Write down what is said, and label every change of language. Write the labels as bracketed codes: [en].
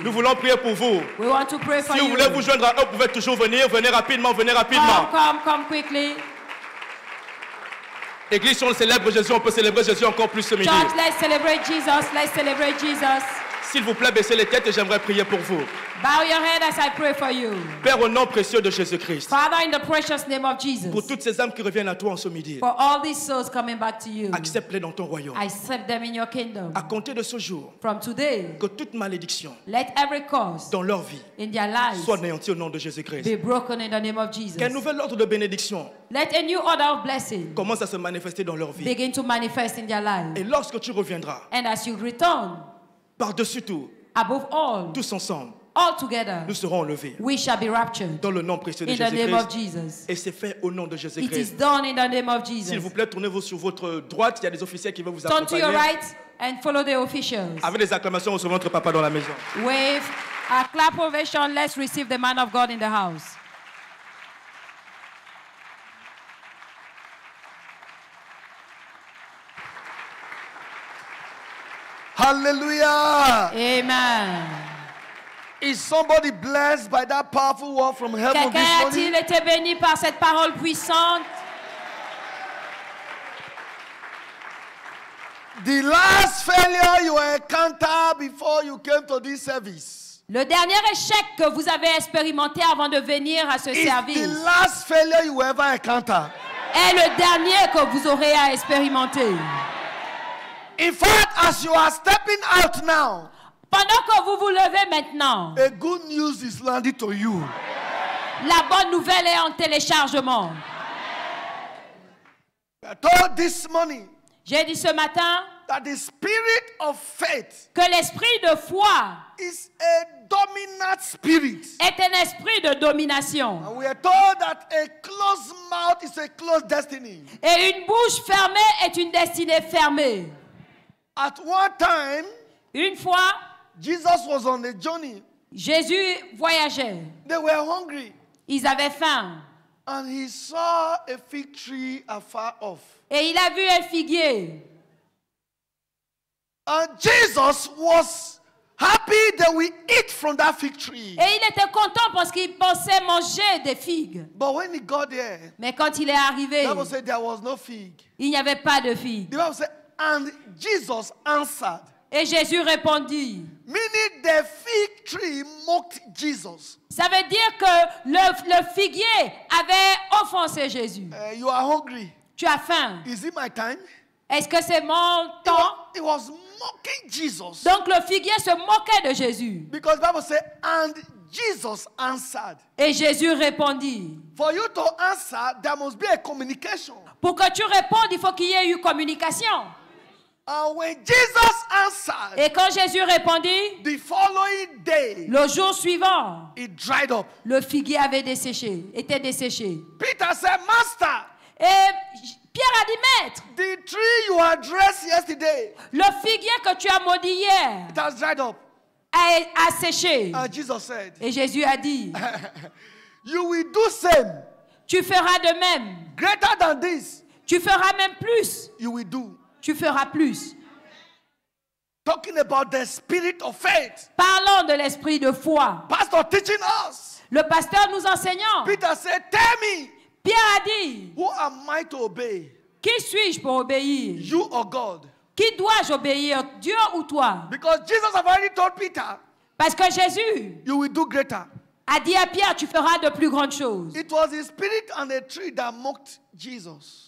[fr] Nous voulons prier pour vous. [en] We want to pray for [fr] si vous voulez [en] you. [fr] Vous joindre à eux, vous pouvez toujours venir. Venez rapidement, venez rapidement. [en] Come quickly. [fr] Église, on célèbre Jésus, on peut célébrer Jésus encore plus ce midi. [en] Church, let's celebrate Jesus, let's celebrate Jesus. [fr] S'il vous plaît, baissez les têtes et j'aimerais prier pour vous. [en] Bow your head as I pray for you. [fr] Père, au nom précieux de Jésus-Christ. [en] Father, in the precious name of Jesus. [fr] Pour toutes ces âmes qui reviennent à toi en ce midi. [en] For all these souls coming back to you. [fr] Accepte-les dans ton royaume. [en] I accept them in your kingdom. [fr] À compter de ce jour. [en] From today. [fr] Que toute malédiction. [en] Let every curse. [fr] Dans leur vie. [en] In their lives. [fr] Soit anéantie au nom de Jésus-Christ. [en] Be broken in the name of Jesus. [fr] Qu'un nouvel ordre de bénédiction. [en] Let a new order of blessing. [fr] Commence à se manifester dans leur vie. [en] Begin to manifest in their lives. [fr] Et lorsque tu reviendras. [en] And as you return. [fr] Par-dessus tout. [en] Above all. [fr] Tous ensemble. [en] All together, [fr] nous serons enlevés. [en] We shall be raptured. [fr] Dans le nom précieux de [en] Jésus-Christ. In the name of Jesus. [fr] Et c'est fait au nom de Jésus-Christ. [en] It is done in the name of Jesus. [fr] S'il vous plaît, tournez-vous sur votre droite. Il y a des officiers qui veulent vous accompagner. [en] Turn to your right and follow the officials. [fr] Avec des acclamations, recevons notre papa dans la maison. [en] Wave a clap ovation. Let's receive the man of God in the house. Hallelujah. Amen. Is somebody blessed by that powerful word from heaven this morning? [fr] Quelqu'un a-t-il été béni par cette parole puissante? [en] The last failure you encountered before you came to this service. [fr] Le dernier échec que vous avez expérimenté avant de venir à ce service. [en] The last failure you ever encountered. [fr] Est le dernier que vous aurez à expérimenter. [en] In fact, as you are stepping out now. [fr] Pendant que vous vous levez maintenant, [en] a good news is landing to you. [fr] La bonne nouvelle est en téléchargement. [en] I told this morning, [fr] j'ai dit ce matin [en] that the spirit of faith [fr] que l'esprit de foi [en] is a dominant spirit. [fr] Est un esprit de domination. [en] And we are told that a closed mouth is a closed destiny. [fr] Et une bouche fermée est une destinée fermée. [en] At one time, [fr] une fois, [en] Jesus was on a journey. [fr] Jésus voyageait. [en] They were hungry. [fr] Ils avaient faim. [en] And he saw a fig tree afar off. [fr] Et il a vu un figuier. [en] And Jesus was happy that we eat from that fig tree. [fr] Et il était content parce qu'il pensait manger des figues. [en] But when he got there, [fr] mais quand il est arrivé, [en] the Bible said there was no fig. [fr] Il n'y avait pas de figue. [en] The Bible said, and Jesus answered. [fr] Et Jésus répondit. [en] Meaning the fig tree mocked Jesus. [fr] Ça veut dire que le figuier avait offensé Jésus. [en] You are hungry. [fr] Tu as faim. [en] Is it my time? [fr] Est-ce que c'est mon temps? [en] It was mocking Jesus. [fr] Donc le figuier se moquait de Jésus. [en] Because the Bible says, and Jesus answered. [fr] Et Jésus répondit. [en] For you to answer, there must be a communication. [fr] Pour que tu répondes, il faut qu'il y ait eu communication. [en] And when Jesus answered, [fr] et quand Jésus répondit, [en] the following day, [fr] le jour suivant, [en] it dried up. [fr] Le figuier avait desséché, était desséché. [en] Peter said, Master, [fr] et Pierre a dit, Maître, [en] the tree you addressed yesterday, [fr] le figuier que tu as maudit hier, [en] it has dried up. [fr] A séché. [en] And Jesus said, [fr] et Jésus a dit, [en] you will do same. [fr] Tu feras de même. [en] Greater than this, [fr] tu feras même plus. [en] You will do. [fr] Tu feras plus. [en] Talking about the spirit of faith. [fr] Parlons de l'esprit de foi. [en] Pastor teaching us. [fr] Le pasteur nous enseignant. [en] Peter said, tell me. [fr] Pierre a dit. [en] Who am I to obey? [fr] Qui suis-je pour obéir? [en] You or God? [fr] Qui dois-je obéir, Dieu ou toi? [en] Because Jesus has already told Peter. [fr] Parce que Jésus. [en] You will do greater. [fr] A dit à Pierre, tu feras de plus grandes choses. [en] It was the spirit and the tree that mocked Jesus.